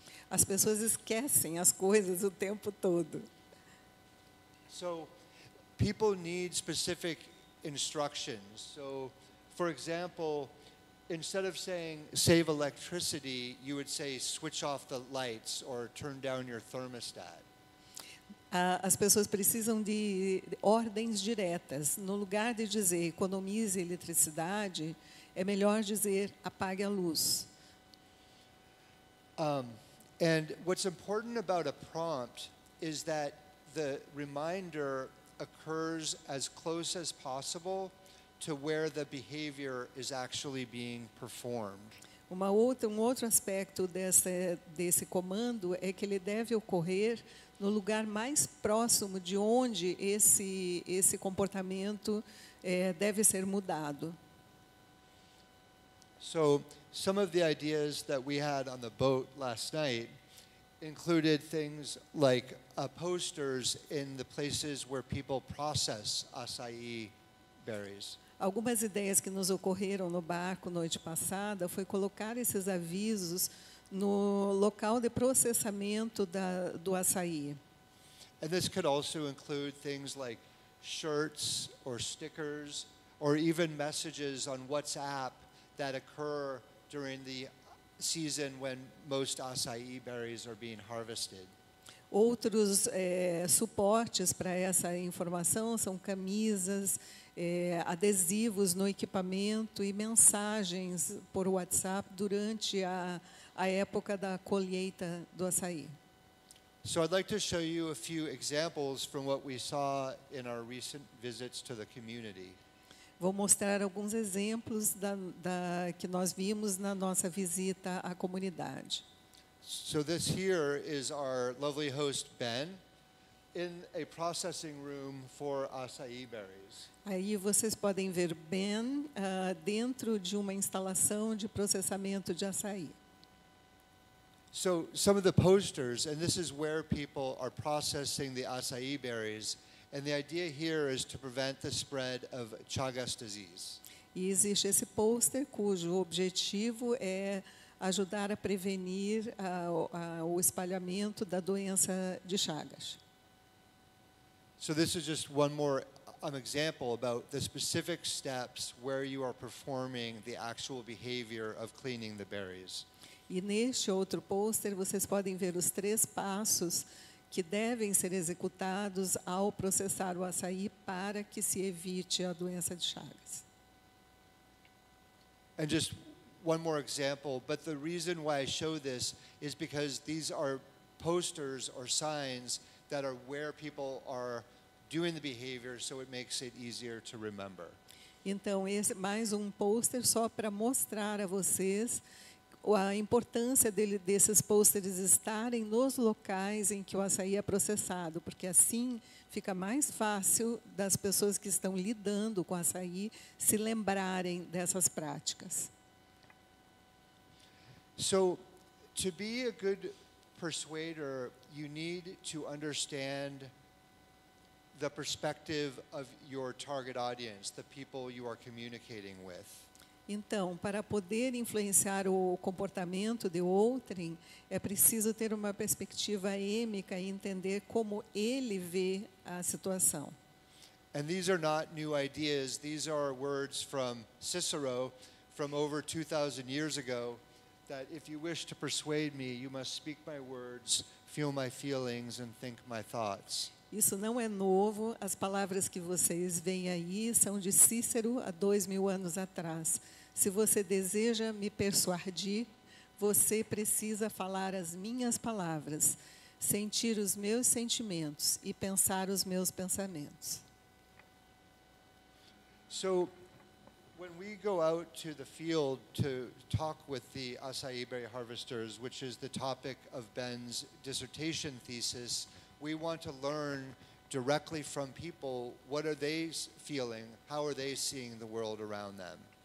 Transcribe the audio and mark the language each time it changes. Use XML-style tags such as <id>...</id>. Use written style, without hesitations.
<pt>As pessoas esquecem as coisas o tempo todo.</pt> <en>So people need specific instructions. So, for example, instead of saying save electricity, you would say switch off the lights or turn down your thermostat.</en> <pt>As pessoas precisam de ordens diretas. No lugar de dizer economize eletricidade, é melhor dizer apague a luz.</pt> <en>And what's important about a prompt is that the reminder occurs as close as possible to where the behavior is actually being performed.</en> <pt>Um outro aspecto desse comando é que ele deve ocorrer no lugar mais próximo de onde esse comportamento deve ser mudado.</pt> <en>So, some of the ideas that we had on the boat last night included things like posters in the places where people process acai berries.</en> <pt>Algumas ideias que nos ocorreram no barco noite passada foi colocar esses avisos no local de processamento do açaí.</pt> <en>And this could also include things like shirts or stickers or even messages on WhatsApp that occur during the season when most acai berries are being harvested.</en> <pt>Outros suportes para essa informação são camisas, adesivos no equipamento e mensagens por WhatsApp durante a época da colheita do açaí.</pt> <en>So I'd like to show you a few examples from what we saw in our recent visits to the community.</en> <pt>Vou mostrar alguns exemplos que nós vimos na nossa visita à comunidade.</pt> <en>So this here is our lovely host Ben in a processing room for acai berries.</en> <pt>Aí vocês podem ver Ben dentro de uma instalação de processamento de açaí.</pt> <en>So some of the posters, and this is where people are processing the acai berries. And the idea here is to prevent the spread of Chagas disease.</en> <pt>E existe esse poster cujo objetivo é ajudar a prevenir o espalhamento da doença de Chagas.</pt> <en>So this is just one more example about the specific steps where you are performing the actual behavior of cleaning the berries.</en> <pt>E neste outro poster vocês podem ver os três passos que devem ser executados ao processar o açaí para que se evite a doença de Chagas.</pt> <en>And just one more example, but the reason why I show this is because these are posters or signs that are where people are doing the behavior, so it makes it easier to remember.</en> <pt>Então, esse mais um poster só para mostrar a vocês a importância desses pôsteres estarem nos locais em que o açaí é processado, porque assim fica mais fácil das pessoas que estão lidando com o açaí se lembrarem dessas práticas.</pt> <en>So, to be a good persuader, you need to understand the perspective of your target audience, the people you are communicating with.</en> <pt>Então, para poder influenciar o comportamento de outrem, é preciso ter uma perspectiva êmica e entender como ele vê a situação.</pt> <en>And these are not new ideas. These are words from Cicero from over 2,000 years ago that if you wish to persuade me, you must speak my words, feel my feelings and think my thoughts.</en> <pt>Isso não é novo. As palavras que vocês veem aí são de Cícero há 2,000 anos atrás. Se você deseja me persuadir, você precisa falar as minhas palavras, sentir os meus sentimentos e pensar os meus pensamentos.</pt> <en>So, when we go out to the field to talk with the acai berry harvesters, which is the topic of Ben's dissertation thesis, we want to learn directly from people, what are they feeling, how are they seeing the world around them.</en>